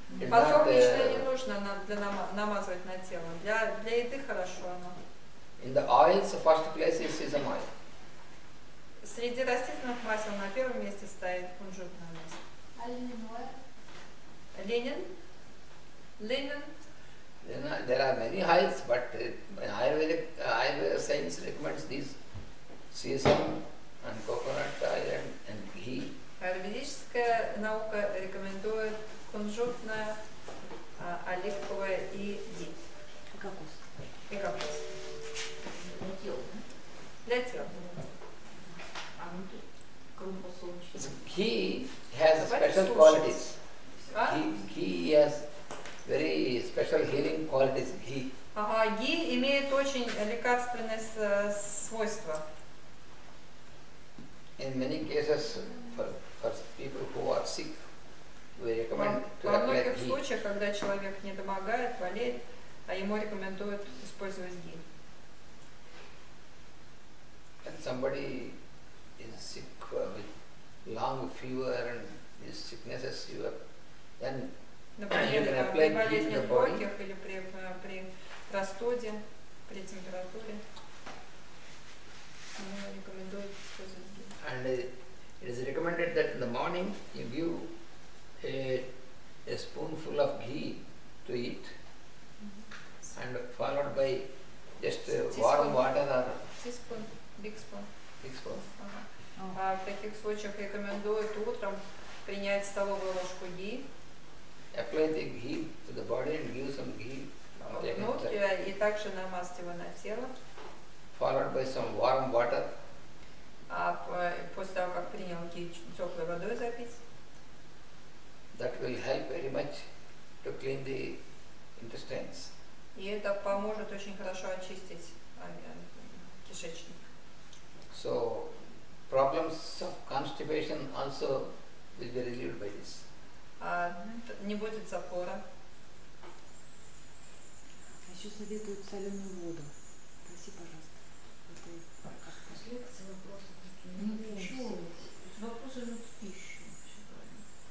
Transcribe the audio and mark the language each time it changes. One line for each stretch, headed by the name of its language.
Russian: Подсолнечное не нужно намазывать на тело. Для еды хорошо оно.
English: In the oils, first place is sesame oil.
Russian: Среди растительных масел на первом месте стоит кунжутное масло. Оливковое.
English: Linen. There are many oils, but Ayurvedic science recommends these sesam and coconut oil and ghee.
Russian: Ayurvedическая наука рекомендует кунжутное, оливковое и ghee. Кокос. И как сейчас? Для тела, да? Для тела. А внутри? Кроме посолнечного.
English: He has special qualities. Ghee has very special healing qualities. Ghee.
Russian: Ага, ghee имеет очень лекарственные свойства.
English: In many cases, for people who are sick, we recommend to apply ghee.
Russian: Во многих случаях, когда человек не домогает, болеет, а ему рекомендуют использовать ghee.
English: When somebody is sick with long fever and these sicknesses, you have then And it is recommended that in the morning you give a spoonful of ghee to eat, mm-hmm. and followed by just warm water or big spoon. Uh-huh.
Russian: Oh. В таких случаях рекомендуют утром принять столовую ложку ghee.
English: Apply the ghee to the body and give some ghee.
Russian: И также намазать его на тело.
English: Followed by some warm water.
Russian: А после того, как принял ghee, теплой водой запить.
English: That will help very much to clean the intestines.
Russian: И это поможет очень хорошо очистить кишечник.
English: So problems of constipation also will be relieved by this.
Russian: Не будет запора. А еще советуют соленую воду. Проси, пожалуйста. Лекции, вопросы такие. Ну, ничего. Вопросы же в пищу. Все правильно.